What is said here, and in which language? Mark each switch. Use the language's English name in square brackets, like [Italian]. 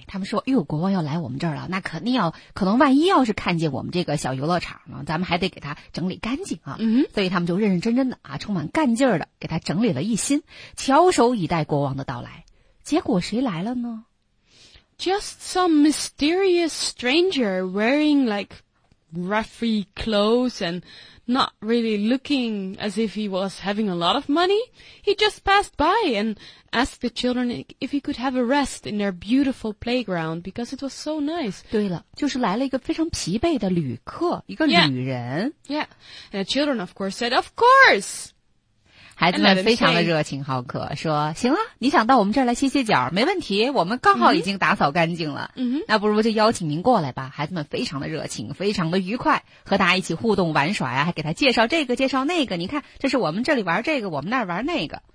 [Chinese] 对，他们说，呦，国王要来我们这儿了，那肯定要，可能万一要是看见我们这个小游乐场呢，咱们还得给他整理干净啊。 Mm-hmm. 所以他们就认认真真的啊，充满干劲儿的给他整理了一新，翘首以待国王的到来。结果谁来了呢? [English] Just some mysterious stranger wearing like ruffy clothes and not really looking as if he was having a lot of money. He just passed by and asked the children if he could have a rest in their beautiful playground because it was so nice. [Chinese] 对了,就是来了一个非常疲惫的旅客,一个旅人。 [English] Yeah. Yeah. And the children of course said, of course! [Chinese] 孩子们非常的热情好客，说行了，你想到我们这儿来歇歇脚没问题，我们刚好已经打扫干净了，嗯，那不如就邀请您过来吧。孩子们非常的热情，非常的愉快，和大家一起互动玩耍呀，还给他介绍这个介绍那个，你看这是我们这里玩这个，我们那儿玩那个，